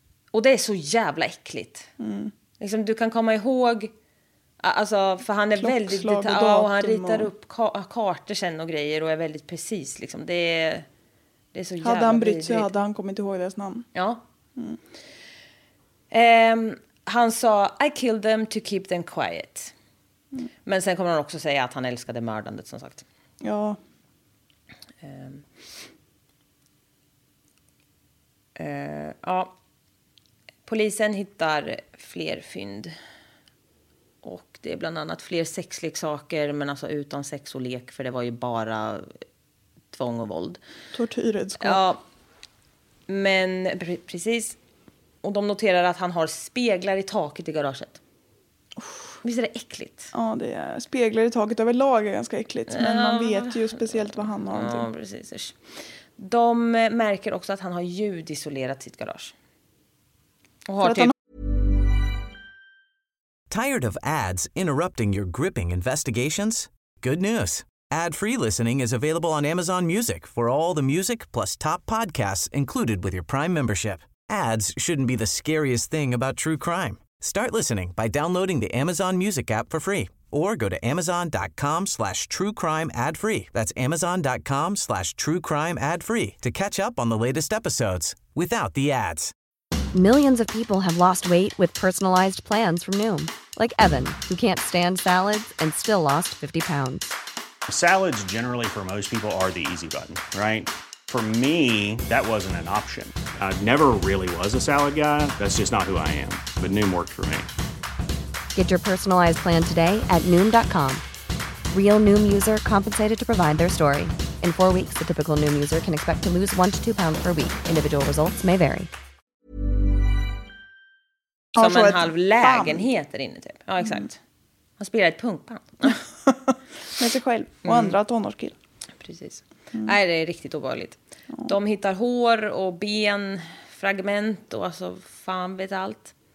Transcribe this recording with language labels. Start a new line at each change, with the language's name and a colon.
Swedish: Och det är så jävla äckligt. Mm. Liksom, du kan komma ihåg... Alltså, för han är väldigt... och han ritar upp kartor sen och grejer och är väldigt precis. Liksom. Det är så jävla... Hade han brytt sig, hade han kommit ihåg deras namn. Ja. Mm. Han sa
English: I killed them to keep them quiet.
Swedish: Mm. Men sen kommer han också säga att han älskade mördandet, som sagt. Ja. Ja. Polisen hittar fler fynd. Och det är bland annat fler sexleksaker, men alltså utan sex och lek, för det var ju bara tvång och våld. Tortyrredskap. Ja. Men precis. Och de noterar att han har speglar i taket i garaget. Oh. Visst är det äckligt? Ja, det är speglar i taket överlag är ganska äckligt. Men man vet ju speciellt vad han har. Ja, precis. De märker också att han har ljudisolerat sitt garage. Och har typ...
English: Tired of ads interrupting your gripping investigations? Good news. Ad-free listening is available on Amazon Music for all the music plus top podcasts included with your Prime membership. Ads shouldn't be the scariest thing about true crime. Start listening by downloading the Amazon Music app for free or go to amazon.com/truecrimeadfree. That's amazon.com/truecrimeadfree to catch up on the latest episodes without the ads. Millions of people have lost weight with personalized plans from Noom, like Evan, who can't stand salads and still lost 50 pounds. Salads generally for most people are the easy button, right? For me, that wasn't an option. I never really was a salad guy. That's just not who I am. But Noom worked for me. Get your personalized plan today at Noom.com. Real Noom user compensated to provide their story. In 4 weeks, the typical Noom user can expect to lose 1 to 2 pounds per week. Individual results may vary.
Swedish: Som en halv lägenhet inne typ. Ja, exakt. Han spelar ett punkband. Med sig själv och andra tonårskill. Precis. Mm. Nej, det är riktigt obehagligt. Ja. De hittar hår och ben, fragment och alltså fan vet allt.